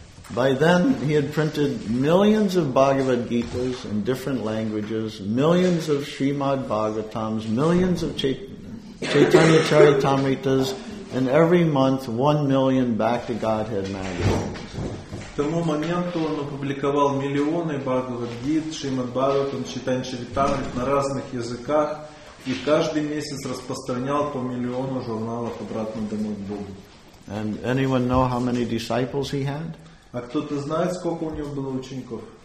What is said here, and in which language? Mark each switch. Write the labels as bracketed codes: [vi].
[en] By then, he had printed millions of Bhagavad Gitas in different languages, millions of Srimad Bhagavatams, millions of Chaitanya Charitamritas, and every month, 1,000,000 Back to Godhead magazines. [ru] К тому моменту он опубликовал миллионы Бхагавад Гит, Шримад Бхагаватам, Чайтанья Чаритамрит на разных языках и каждый месяц распространял по миллиону журналов обратно домой к Богу. [en] And anyone know how many disciples he had? [ru] А кто-то знает, сколько у него было учеников?